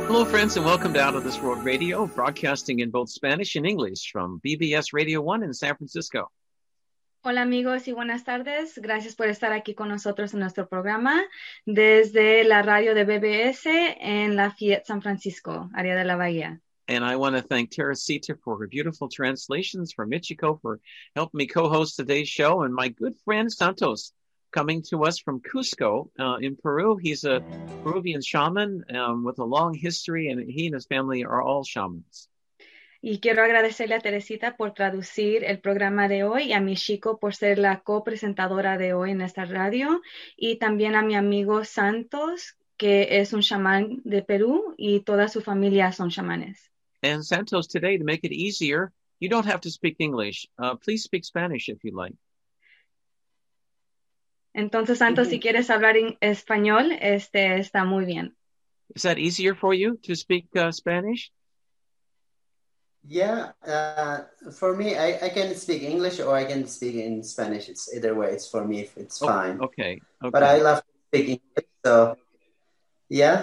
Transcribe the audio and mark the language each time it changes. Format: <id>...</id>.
<en>friends, and welcome to Out of This World Radio, broadcasting in both Spanish and English from BBS Radio 1 in San Francisco.</en> <es>Hola amigos y buenas tardes. Gracias por estar aquí con nosotros en nuestro programa desde la radio de BBS en Lafayette, San Francisco, área de la Bahía.</es> <en>And I want to thank Teresita for her beautiful translations, for Michiko for helping me co-host today's show, and my good friend Santos, coming to us from Cusco in Peru. He's a Peruvian shaman with a long history, and he and his family are all shamans.</en> <es>Y quiero agradecerle a Teresita por traducir el programa de hoy y a Michiko por ser la copresentadora de hoy en esta radio y también a mi amigo Santos, que es un shaman de Perú y toda su familia son shamanes.</es> <en>And Santos, today, to make it easier, you don't have to speak English. Please speak Spanish if you like.</en> <es>Entonces, Santos, si quieres hablar en español, está muy bien.</es> <en>Is that easier for you to speak Spanish? Yeah, for me, I can speak English or I can speak in Spanish. It's either way. It's for me. It's fine. Okay. But I love to speak English. So, yeah.</en>